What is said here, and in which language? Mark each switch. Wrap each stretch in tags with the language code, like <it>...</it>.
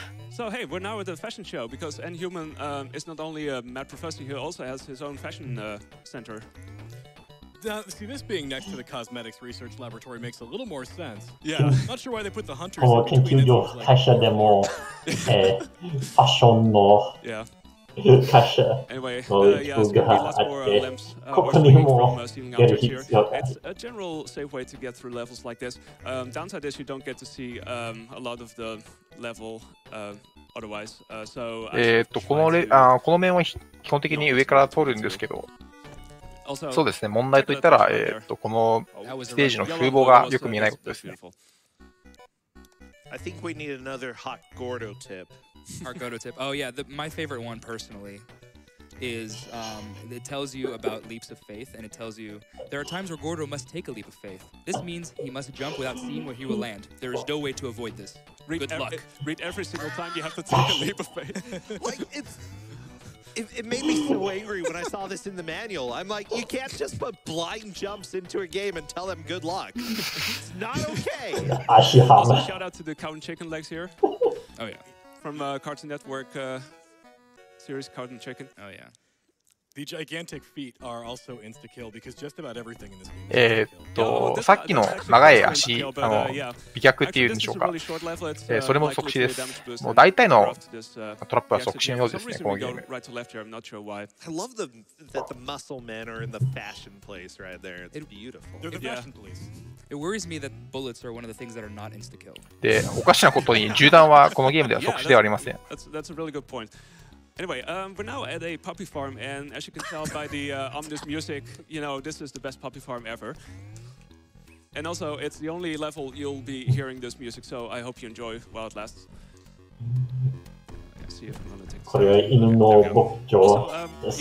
<en>So hey, we're now at the fashion show because Nhuman is not only a mad professor, he also has his own fashion center. Now, see, this being next to the cosmetics research laboratory makes a little more sense. Yeah, I'm not sure why they put the hunters in between</en> <ja>この研究所、会社でも、ファッションの会社の人があって、ここにもやる必要がある。</ja> <en>It's a general safe way to get through levels like this. Downside is you don't get to see a lot of the level otherwise. So,</en> <ja>この面は基本的に上から通るんですけど、そうですね、問題といったら、このステージの風貌がよく見えないことですね。</ja> <en>I think we need another hot Gordo tip. Our Gordo tip. Oh yeah, my favorite one personally is it tells you about leaps of faith, and it tells you there are times where Gordo must take a leap of faith. This means he must jump without seeing where he will land. There is no way to avoid this. Good luck. Read every single time you have to take a leap of faith. It made me so angry when I saw this in the manual. I'm like, you can't just put blind jumps into a game and tell them good luck. It's not okay. Also, shout out to the Cartoon Chicken Legs here. Oh, yeah. From Cartoon Network series Cartoon Chicken. Oh, yeah. The gigantic feet are also insta-kill because just about everything in this game is insta-kill.</en> <ja>さっきの長い足、美脚っていうんでしょうか。それも即死です。もう大体のトラップは即死のようですね、このゲーム。</ja> <en>I love that the muscle men are in the fashion place right there. It's beautiful. They're the fashion police. It worries me that bullets are one of the things that are not insta-kill.</en> <ja>で、おかしなことに銃弾はこのゲームでは即死ではありません。</ja> <en>That's a really good point. Anyway, we're now at a puppy farm, and as you can tell by the ominous music, you know, this is the best puppy farm ever. And also, it's the only level you'll be hearing this music, so I hope you enjoy while it lasts. Let's see if I'm gonna take this.</en> <ja>これは犬の牧場です。</ja>